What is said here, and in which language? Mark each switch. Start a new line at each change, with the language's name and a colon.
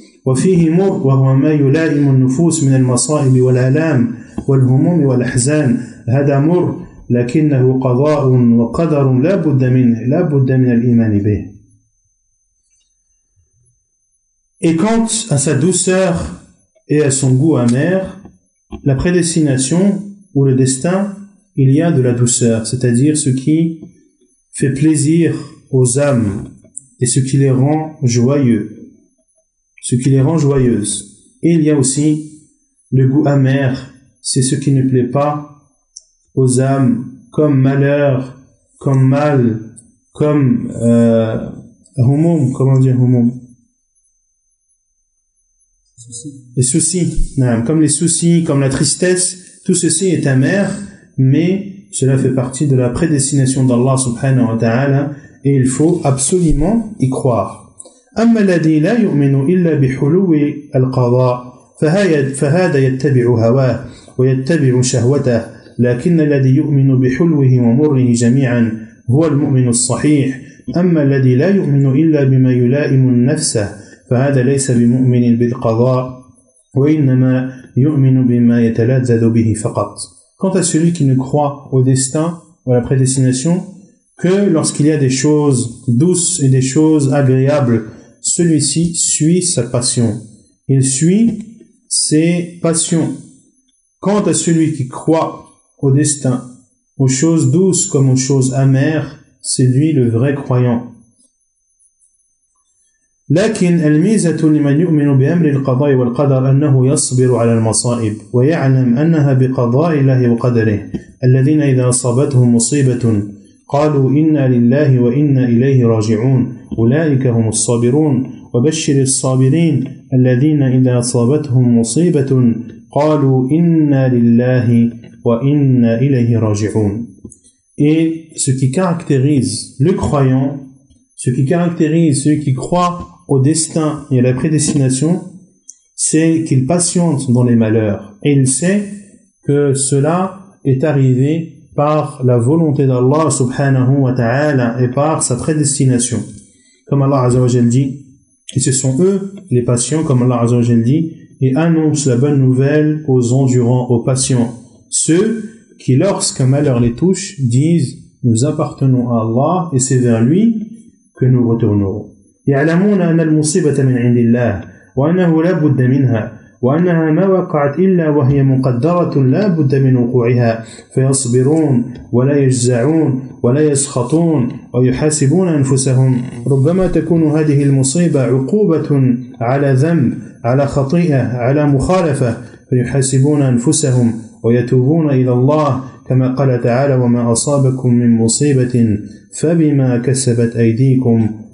Arabic: وفيه مر وهو ما يلائم النفوس من المصائب والآلام والهموم والأحزان هذا مر لكنه قضاء وقدر لا بد منه لا بد من الإيمان به.
French: Et quant à sa douceur et à son goût amer, la prédestination ou le destin, il y a de la douceur, c'est-à-dire ce qui fait plaisir aux âmes et ce qui les rend joyeux. Ce qui les rend joyeuses. Et il y a aussi le goût amer, c'est ce qui ne plaît pas aux âmes, comme malheur, comme mal, comme humum, comment dire humum? Les soucis, non, comme les soucis, comme la tristesse, tout ceci est amer, mais cela fait partie de la prédestination d'Allah subhanahu wa ta'ala, et il faut absolument y croire.
Arabic: أما الذي لا يؤمن إلا بحلو القضاء فهذا يتبع هواه ويتبع شهوته لكن الذي يؤمن بحلوه ومره جميعا هو المؤمن الصحيح أما الذي لا يؤمن إلا بما يلائم نفسه فهذا ليس بمؤمن بالقضاء وإنما يؤمن بما يتلذذ به فقط.
French: Quant à celui qui ne croit au destin ou à la prédestination que lorsqu'il y a des choses douces et des choses agréables, celui-ci suit sa passion. Il suit ses passions. Quant à celui qui croit au destin, aux choses douces comme aux choses amères, c'est lui le vrai croyant.
Arabic: لكن الميزة لمن يؤمن بأمر القضاء والقدر أنه يصبر على المصائب ويعلم أنها بقضاء الله وقدره الذين إذا أصابتهم مصيبة قالوا إنا لله وإنا إليه راجعون أولئك هم الصابرون وبشر الصابرين الذين إذا أصابتهم مصيبة قالوا إنا لله وإنا إليه راجعون.
French: Et ce qui caractérise le croyant, ce qui caractérise celui qui croit au destin et à la prédestination, c'est qu'il patiente dans les malheurs et il sait que cela est arrivé par la volonté d'Allah subhanahu wa ta'ala et par sa prédestination. Comme Allah Azza wa Jal dit, et ce sont eux les patients, comme Allah Azza wa Jal dit, et annoncent la bonne nouvelle aux endurants, aux patients. Ceux qui, lorsqu'un malheur les touche, disent, nous appartenons à Allah et c'est vers lui que nous retournerons.
Arabic: يعلمون أن المصيبة من عند الله وأنه لا بد منها وأنها ما وقعت إلا وهي مقدرة لا بد من وقوعها فيصبرون ولا يجزعون ولا يسخطون ويحاسبون أنفسهم ربما تكون هذه المصيبة عقوبة على ذنب على خطيئة على مخالفة فيحاسبون أنفسهم ويتوبون إلى الله كما قال تعالى وما أصابكم من مصيبة فبما كسبت أيديكم.